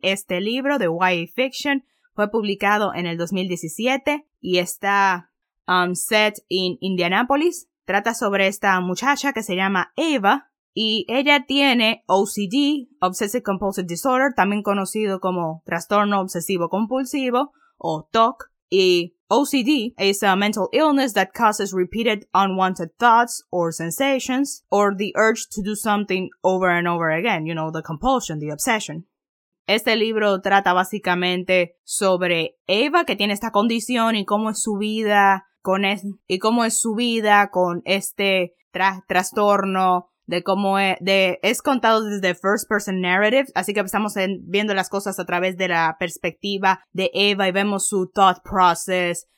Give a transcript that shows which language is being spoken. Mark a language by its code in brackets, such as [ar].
[es] Este libro de YA Fiction fue publicado en el 2017 y está [en] set in [es] Indianapolis. Trata sobre esta muchacha que se llama Eva y ella tiene OCD, Obsessive Compulsive Disorder, también conocido como Trastorno Obsesivo Compulsivo o TOC. [en] Y OCD is a mental illness that causes repeated unwanted thoughts or sensations or the urge to do something over and over again, you know, the compulsion, the obsession. [es] Este libro trata básicamente sobre Eva, que tiene esta condición, y cómo es su vida con este trastorno, de cómo es contado desde [en] first person narrative, [es] así que estamos viendo las cosas a través de la perspectiva de Eva y vemos su [en] thought process.